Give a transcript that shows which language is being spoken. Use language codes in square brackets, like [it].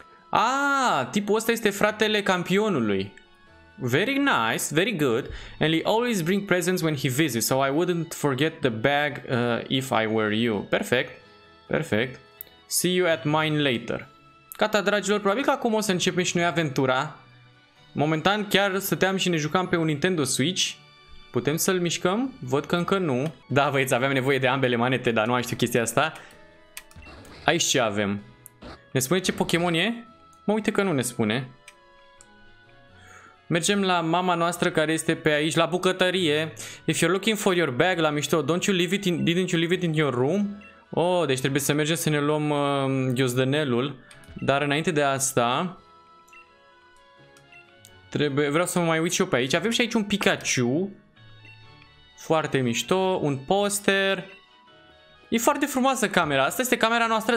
[ro] A, tipul ăsta este fratele campionului. [en] Very nice, very good. And he always bring presents when he visits, so I wouldn't forget the bag if I were you. Perfect, perfect. See you at mine later. [ro] Gata, dragilor, probabil că acum o să începem și noi aventura. Momentan chiar stăteam și ne jucam pe un Nintendo Switch. Putem să-l mișcăm? Văd că încă nu. Da, băieți, aveam nevoie de ambele manete, dar nu mai știu chestia asta. Aici ce avem? Ne spune ce Pokémon e? Mă, uite că nu ne spune. Mergem la mama noastră care este pe aici, la bucătărie. [en] If you're looking for your bag, la mișto, didn't you leave it in your room? [ro] Oh, deci trebuie să mergem să ne luăm ghiozdănelul. Dar înainte de asta, vreau să mă mai uit și eu pe aici. Avem și aici un Pikachu. Foarte mișto, un poster. E foarte frumoasă camera. Asta este camera noastră?